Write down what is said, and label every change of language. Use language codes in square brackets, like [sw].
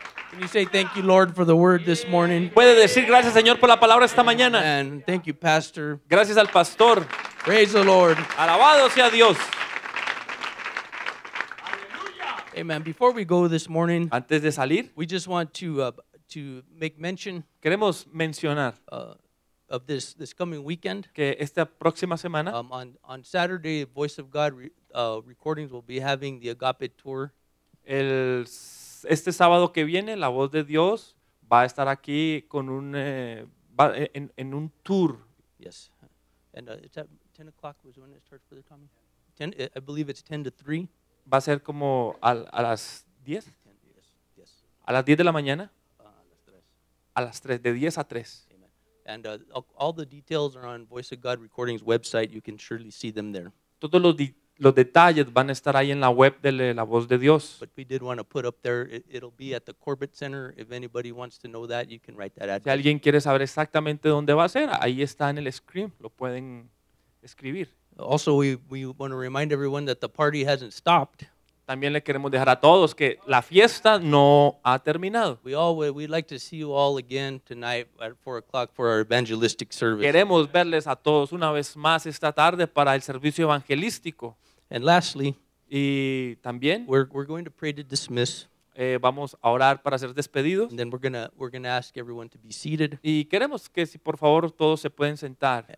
[en] Can you say thank you, Lord, for the word this morning? [es] Puede decir gracias, Señor, por la palabra esta mañana. [en] And thank you, Pastor. [es] Gracias al pastor. [en] Praise the Lord. [es] Alabado sea Dios. [en] Amen. Before we go this morning, [es] antes de salir, [en] we just want to make mention. [es] Queremos mencionar. [en] Of this coming weekend, [es] que esta próxima semana, [en] on Saturday, Voice of God recordings will be having the Agape Tour. [es] Este sábado que viene, la voz de Dios va a estar aquí con un en un tour. [en] Yes. And it's at 10 o'clock was when it starts for the coming. 10, I believe it's 10 to 3. [es] Va a ser como a las 10. [en] Yes. [es] A las 10 de la mañana. A las 3, de 10 a 3. [en] Amen. And all the details are on Voice of God Recordings website. You can surely see them there. [es] Todos los detalles van a estar ahí en la web de la voz de Dios. [en] But we did want to put up there, it'll be at the Corbett Center. If anybody wants to know that, you can write that address. [es] Si alguien quiere saber exactamente dónde va a ser, ahí está en el screen, lo pueden escribir. [en] Also, we want to remind everyone that the party hasn't stopped. [es] También le queremos dejar a todos que la fiesta no ha terminado. [en] We'd like to see you all again tonight at 4 o'clock for our evangelistic service. [es] Queremos verles a todos una vez más esta tarde para el servicio evangelístico. [en] And lastly, [es] y también, [en] we're going to pray to dismiss. [es] Vamos a orar para ser despedidos. [en] And then we're gonna ask everyone to be seated. [es] Y queremos que si por favor todos se pueden sentar.